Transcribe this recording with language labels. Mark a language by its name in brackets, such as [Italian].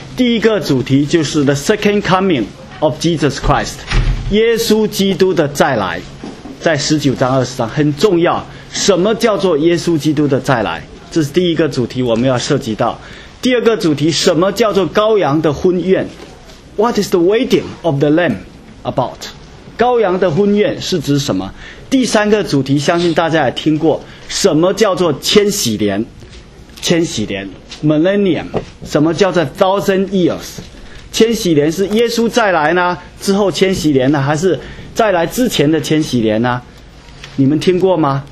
[Chinese] 第一个主题就是 [English] The Second Coming of Jesus Christ， [Chinese] 耶稣基督的再来，在十九章、二十章很重要。什么叫做耶稣基督的再来？这是第一个主题我们要涉及到。第二个主题，什么叫做羔羊的婚宴？ [English] What is the wedding of the lamb about？ [Chinese] 羔羊的婚宴是指什么？第三个主题，相信大家也听过，什么叫做千禧年？千禧年 millennium， 什么叫做 [English] thousand years？ [Chinese] 千禧年是耶稣再来呢，之后千禧年呢，还是再来之前的千禧年呢？你们听过吗？